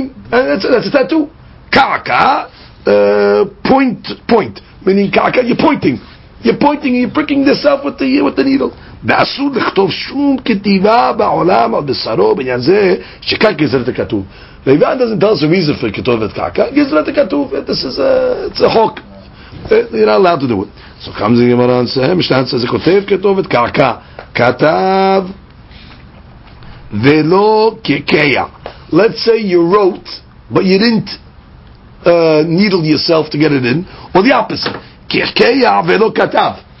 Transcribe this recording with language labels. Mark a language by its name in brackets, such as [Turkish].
[English] That's a tattoo. Kaka, point. Meaning kaka, you're pointing, you're pricking yourself with the needle. [Hebrew] ואסור לכתוב שום כתיבה בעולם על בשרו בעניין זה שכאן גזרת הכתוב. [English] ואיוון doesn't tell us the reason for [Hebrew] כתובת קעקע, גזרת הכתוב, [English] this is a, it's a hook. You're not allowed to do it. So comes the Gemara and says, משנה says, [Hebrew] כותב כתובת קעקע, כתב ולא קעקיע. [English] Let's say you wrote, but you didn't needle yourself to get it in, or the opposite, [Hebrew] קעקיע ולא כתב.